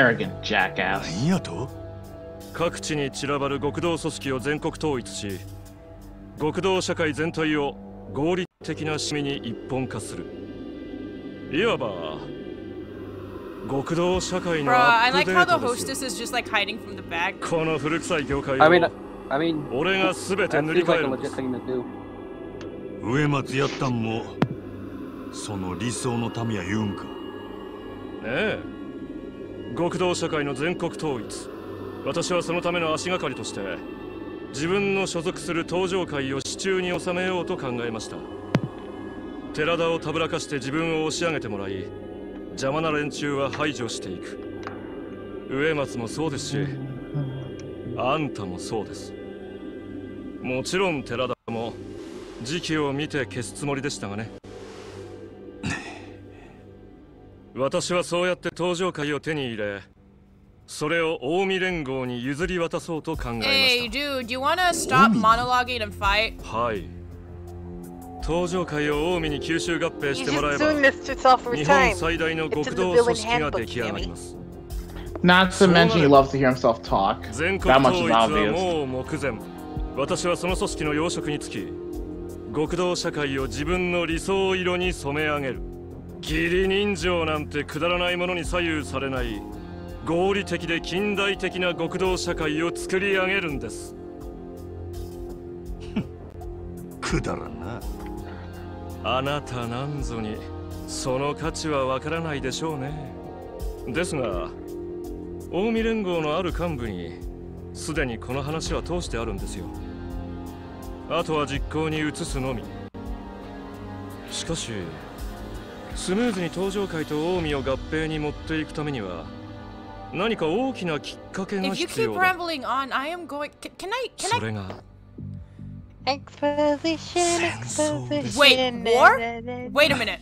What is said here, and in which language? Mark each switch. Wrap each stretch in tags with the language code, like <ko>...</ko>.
<en>Arrogant jackass。</en> <ja>何やと？各地に散らばる極道組織を全国統一し、極道社会全体を合理的な仕組みに一本化する。いわば極道社会のアップデートです。</ja> <en>Bro, I like how the hostess is just like hiding from the back.</en> <ja>この古臭い業界を俺がすべて塗り替えるんです。上松やったんもその理想の民や言うんか。ねえ、極道社会の全国統一、私はそのための足がかりとして自分の所属する東条会を手中に収めようと考えました。寺田をたぶらかして自分を押し上げてもらい、邪魔な連中は排除していく。上松もそうですし、あんたもそうです。もちろん寺田も時期を見て消すつもりでしたがね。私はそうやって登場会を手に入れ、それを大見連合に譲り渡そうと考えました。</ja> <en>Hey, dude, do you wanna stop monologuing and fight?</en> <ja>はい。登場会を大見に吸収合併してもらえば、日本最大の極道組織が出来上がります。</ja> <en>Not to mention he loves to hear himself talk. That much is obvious.</en> <ja>全国統一はもう目前。私はその組織の要職につき、極道社会を自分の理想色に染め上げる。義理人情なんてくだらないものに左右されない合理的で近代的な極道社会を作り上げるんです。くだらんな。あなたなんぞにその価値はわからないでしょうね。ですが近江連合のある幹部にすでにこの話は通してあるんですよ。あとは実行に移すのみ。しかしスムーズに東条会と近江を合併に持っていくためには何か大きなきっかけが必要だ。</ja> <en>If you keep rambling on, I am going... Can I...</en> <ja>それが</ja> <en>Exposition. Wait, what? Wait a</en>